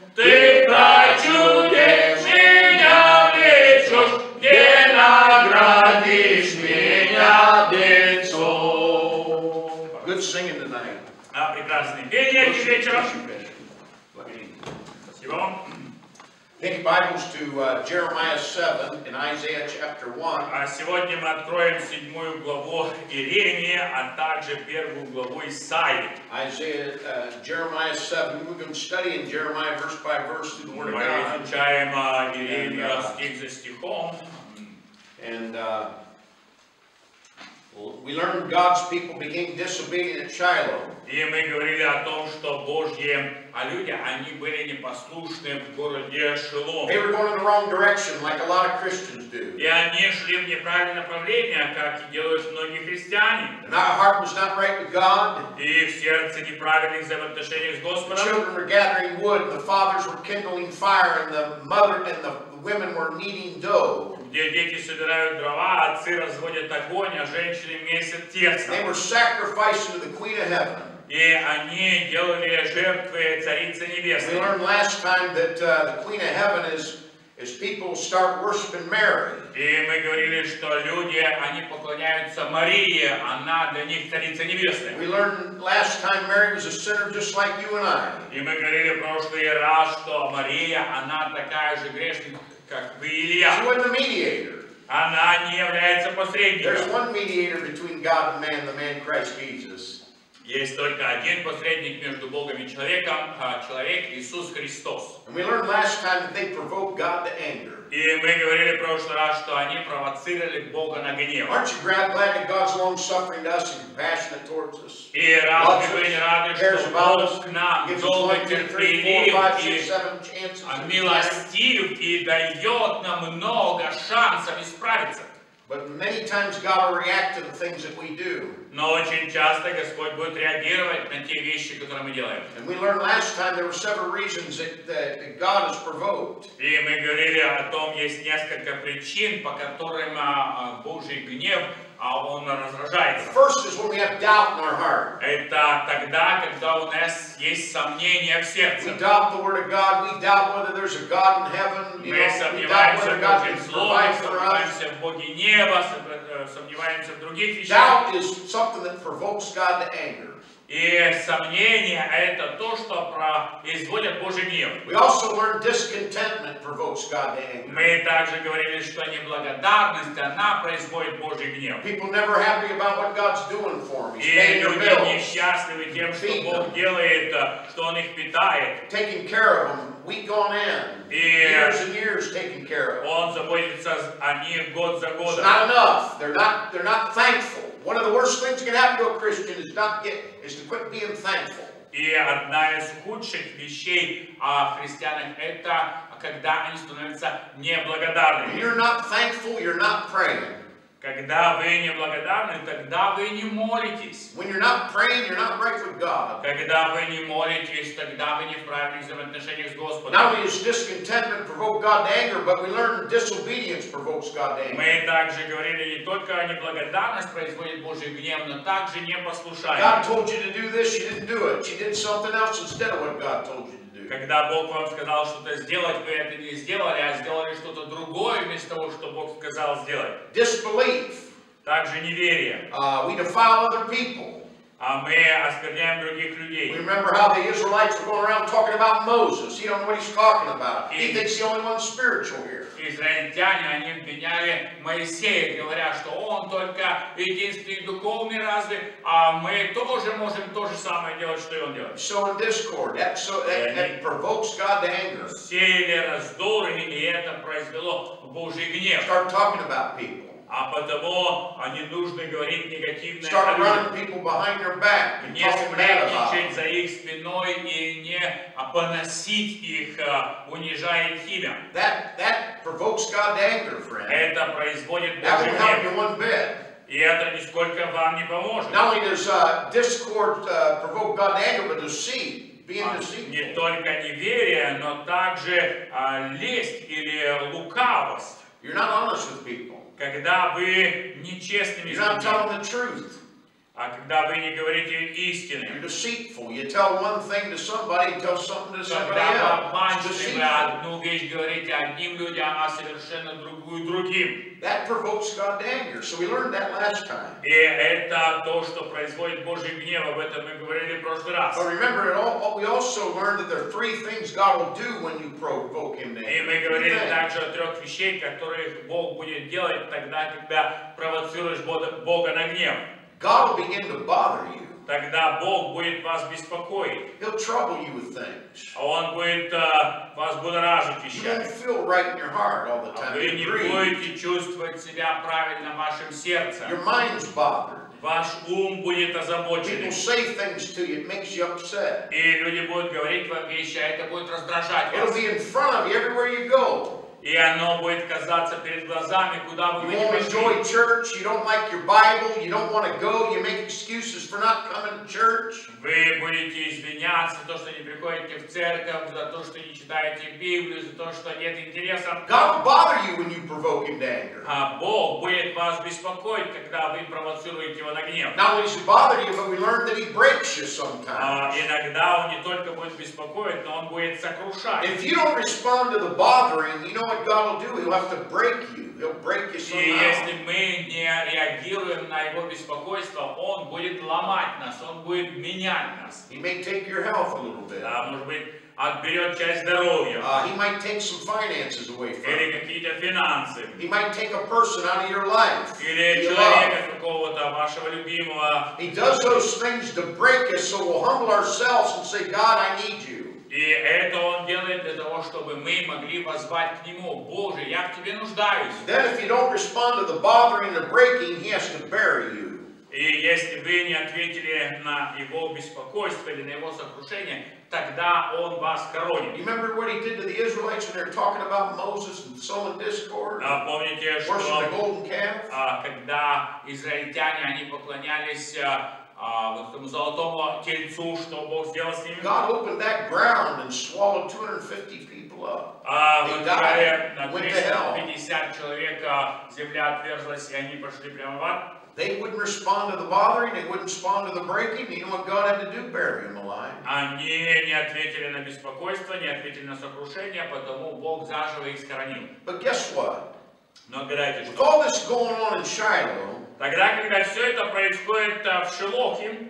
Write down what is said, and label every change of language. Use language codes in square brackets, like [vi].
[ru] Ты прочудишь меня, влечешь, где наградишь меня децом. [en] Good singing tonight. [ru] А прекрасный пение вечером. Спасибо. [en] Take your Bibles to Jeremiah 7 in Isaiah chapter 1. [ru] А сегодня мы откроем седьмую главу Иеремии, а также первую главу Исаии. [en] Jeremiah 7. We've been studying Jeremiah verse by verse through the Word of God. [ru] Мы изучаем Иеремию стих за стихом. [en] And we learned God's people became disobedient at Shiloh. [ru] И мы говорили о том, что Божьи а люди, они были непослушны в городе Шилом. [en] They were going in the wrong direction, like a lot of Christians do. [ru] И они шли в неправильное направление, как и делают многие христиане. [en] And our heart was not right with God. [ru] И в сердце неправильных взаимоотношениях с Господом. [en] The children were gathering wood, the fathers were kindling fire, and the mother and the women were kneading dough. [ru] Где дети собирают дрова, отцы разводят огонь, а женщины месят тесто. [en] They were sacrificing to the Queen of Heaven. [ru] И они делали жертвы Царице Небесной. [en] We learned last time that the Queen of Heaven is people start worshiping Mary. [ru] И мы говорили, что люди, они поклоняются Марии, она для них Царица Небесная. [en] We learned last time Mary was a sinner just like you and I. [ru] И мы говорили в прошлый раз, что Мария, она такая же грешница, как вы и я. [en] She was the mediator. [ru] Она не является посредником. [en] There's one mediator between God and man, the man Christ Jesus. [ru] Есть только один посредник между Богом и человеком, человек Иисус Христос. [en] And we learned last time that they provoked God to anger. [ru] И мы говорили в прошлый раз, что они провоцировали Бога на гнев. [en] Aren't you glad that God's long suffering to us and compassionate towards us? [ru] И разве вы не рады, что Бог к нам долго терпелив и милостив и дает нам много шансов исправиться? [en] But many times God will react to the things that we do. [ru] Но очень часто Господь будет реагировать на те вещи, которые мы делаем. [en] And we learned last time there were several reasons that God is provoked. [ru] И мы говорили о том, есть несколько причин, по которым Божий гнев, а он раздражается. [en] First is when we have doubt in our heart. [ru] Это тогда, когда у нас есть сомнения в сердце. [en] We doubt the word of God. We doubt whether there's a God in heaven. [ru] Мы сомневаемся в Боге Слова, сомневаемся в Боге Неба, сомневаемся в других вещах. [en] Doubt is something that provokes God to anger. [ru] И сомнения это то, что производит Божий гнев. [en] We also learned discontentment provokes God to anger. [ru] Мы также говорили, что неблагодарность она производит Божий гнев. [en] People never happy about what God's doing for them. [ru] И люди несчастливы тем, что Бог делает, что он их питает. [en] Taking care of them week on end. Years and years taking care of. [ru] Он заботится о них год за годом. [en] Not enough. They're not thankful. One of the worst things that can happen to a Christian is to quit being thankful. [ru] И одна из худших вещей о христианах это когда они становятся неблагодарными. [en] When you're not thankful, you're not praying. [ru] Когда вы неблагодарны, тогда вы не молитесь. [en] When you're not praying, you're not right with God. [ru] Когда вы не молитесь, тогда вы не в правильных взаимоотношениях с Господом. [en] Not only is discontentment provoke God to anger, but we learn disobedience provokes God to anger. [ru] Мы также говорили не только о неблагодарность производит Божий гнев, но также непослушание. [en] God told you to do this, you didn't do it. You did something else instead of what God told you. [ru] Когда Бог вам сказал что-то сделать, вы это не сделали, а сделали что-то другое вместо того, что Бог сказал сделать. [en] Disbelief. [ru] Также неверие. [en] We defile other people. [ru] А мы оскверняем других людей. [en] We remember how the Israelites were going around talking about Moses. He don't know what he's talking about. He thinks the only one spiritual here. [ru] Израильтяне, они обвиняли Моисея, говоря, что он только единственный духовный разве, а мы тоже можем то же самое делать, что и он делает. [en] So in discord, that provokes God to anger. [ru] Сеяли раздоры, и это произвело Божий гнев. [en] Start talking about people. [ru] А потому они нужно говорить негативное. [en] Start running people behind their back. [ru] Не смотреть за их спиной и не поносить их, унижая их имя. [en] That provokes God's anger, friend. [ru] Это производит Божий гнев. [en] That won't help you one bit. [ru] И это нисколько вам не поможет. [en] Not only does discord provoke God's anger, but deceit. [ru] Не только неверие, но также лесть или лукавость. [en] You're not honest with people. [ru] Когда вы нечестными с людьми, [en] you're not telling the truth. [ru] А когда вы не говорите истины. [en] You're deceitful. You tell one thing to somebody, tell something to somebody else. [ru] Когда вы обманчивы, вы одну вещь говорите одним людям, а совершенно другую другим. [en] That provokes God's anger. So we learned that last time. [ru] И это то, что производит Божий гнев, об этом мы говорили в прошлый раз. [en] But remember, we also learned that there are three things God will do when you provoke Him to anger. [ru] И мы говорили также о трех вещей, которые Бог будет делать тогда, когда провоцируешь Бога на гнев. [en] God will begin to bother you. [ru] Тогда Бог будет вас беспокоить. [en] He'll trouble you with things. [ru] А он будет вас будоражить вещами. [en] You won't feel right in your heart all the time. [ru] А вы не будете чувствовать себя правильно в вашем сердце. [en] Your mind's bothered. [ru] Ваш ум будет озабочен. [en] People say things to you, it makes you upset. [ru] И люди будут говорить вам вещи, а это будет раздражать вас. [en] It'll be in front of you everywhere you go. [ru] И оно будет казаться перед глазами, куда бы вы ни пошли. [en] You won't enjoy church, you don't like your Bible, you don't want to go, you make excuses for not coming to church. [ru] Вы будете извиняться за то, что не приходите в церковь, за то, что не читаете Библию, за то, что нет интереса. [en] God will bother you when you provoke Him to anger. [ru] А Бог будет вас беспокоить, когда вы провоцируете Его на гнев. [en] Not only does He bother you, but we learn that He breaks you sometimes. [ru] Иногда Он не только будет беспокоить, но Он будет сокрушать. [en] If you don't respond to the bothering, you know what God will do, He'll have to break you. He'll break you somehow. [ru] И если мы не реагируем на Его беспокойство, Он будет ломать нас, Он будет менять нас. [en] He may take your health a little bit. [ru] Да, может быть, отберет часть здоровья. [en] He might take some finances away from you. [ru] Или какие-то финансы. [en] He might take a person out of your life. [ru] Или человека какого-то вашего любимого. [en] He does those things to break us, so we'll humble ourselves and say, God, I need you. [ru] И это он делает для того, чтобы мы могли воззвать к нему: Боже, я к тебе нуждаюсь. [en] Then if you don't respond to the bothering, the breaking, he has to bury you. [ru] И если вы не ответили на его беспокойство или на его сокрушение, тогда он вас коронит. [en] You remember what he did to the Israelites when they're talking about Moses and sowing discord? [ru] Помните, что [en] worship the golden calf? [ru] Когда израильтяне они поклонялись вот этому золотому тельцу, что Бог сделал с ними. [en] God opened that ground and swallowed 250 people up. They died, went to hell. [ru] 250 человек земля отверзлась, и они пошли прямо в ад. [en] They wouldn't respond to the bothering, they wouldn't respond to the breaking. You know what God had to do? Bury them alive. [ru] Они не ответили на беспокойство, не ответили на сокрушение, потому Бог заживо их схоронил. [en] But guess what? [ru] Но гадайте, [en] with all this going on in Shiloh, [ru] тогда, когда все это происходит в Шилохе,